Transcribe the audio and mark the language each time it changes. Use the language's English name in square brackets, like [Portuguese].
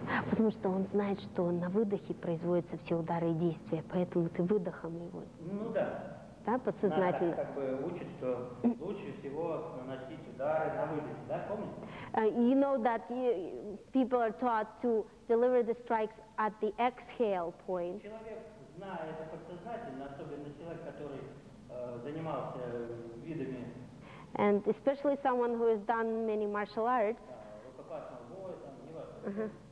[Russian] Потому что он знает, что на выдохе производятся все удары и действия, поэтому ты выдохом его. Ну да. Да, подсознательно. Она как бы учит, что лучше всего наносить удары на выдохе, да, помнишь? [English] You know that people are taught to deliver the strikes at the exhale point. [Russian] Человек знает это подсознательно, особенно человек, который занимался видами. [English] And especially someone who has done many martial arts. [Russian] Рукопашного боя, там, не важно.